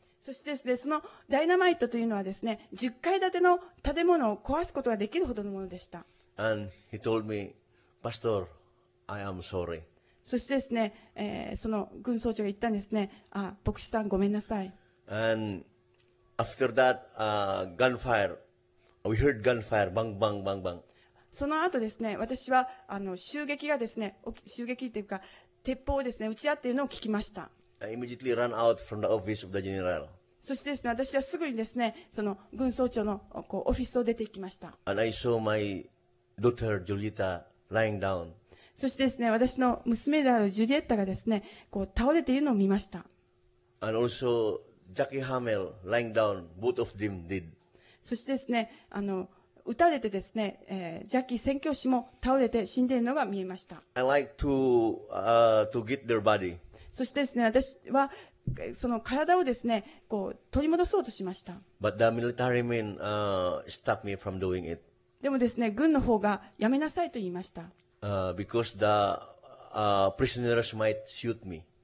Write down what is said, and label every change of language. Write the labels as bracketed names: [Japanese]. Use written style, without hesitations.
[Japanese] そしてですね、そのダイナマイトというのはですね、10階建ての建物を壊すことができるほどのものでした。 [English] And he told me, Pastor, I am sorry. [Japanese] そしてですね、その軍総長が言ったんですね、あ、牧師さんごめんなさい。 [English] And after that, gunfire, we heard gunfire, bang, bang, bang, bang. [Japanese] その後ですね、私はあの襲撃がですね、襲撃というか、鉄砲をですね、撃ち合っているのを聞きました。 [English] I immediately ran out from the office of the general. [Japanese] そしてですね、私はすぐにですね、その軍総長のこうオフィスを出て行きました。 [English] And I saw my daughter Julieta lying down. [Japanese] そしてですね、私の娘であるジュリエッタがですね、こう倒れているのを見ました。 [English] And also Jackie Hamel lying down. Both of them did. [Japanese] そしてですね、あの撃たれてですね、ジャッキー宣教師も倒れて死んでいるのが見えました。 [English] I like to to get their body. [Japanese] そしてですね、私はその体をですね、こう取り戻そうとしました。 [English] But the military men, stopped me from doing it. [Japanese] でもですね、軍の方がやめなさいと言いました。 [English] Because the, prisoners might shoot me.